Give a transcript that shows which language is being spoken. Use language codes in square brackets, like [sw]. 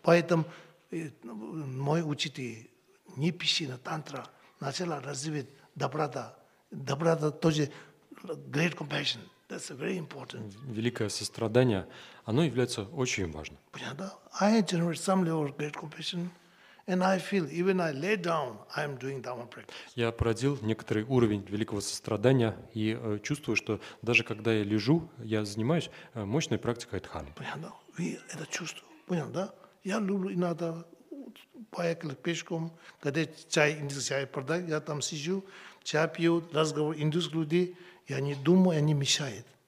[ru] Поэтому мой учитель не пиши на тантра, начала развивать доброта. Доброта тоже [en] great compassion. That's very important. [ru] Великое сострадание, оно является очень важным. Понял, да? [en] I generate some level of great compassion. And I feel, even I lay down, I'm doing dharma practice. [ru] Я породил некоторый уровень великого сострадания и чувствую, что даже когда я лежу, я занимаюсь мощной практикой дхармы. Понял, да? Вы это чувствуете? Понял, да? Я люблю иногда поехать пешком, когда чай, индийский чай продают, я там сижу, чай пью, разговор индийских людей, я не думаю, они мешают.